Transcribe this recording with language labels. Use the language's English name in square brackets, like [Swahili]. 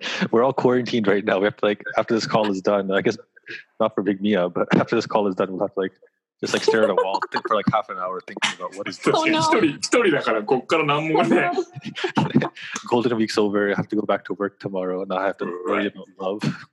[English] We're all quarantined right now. We have to, like, after this call is done, I guess not for Big Mia, but after this call is done, we'll have to, like, just like stare at a wall think for like half an hour thinking about what is this. Oh, no. [Japanese] 1人だからこっから何もね。 [English] Golden week's over. I have to go back to work tomorrow and I have to worry about love.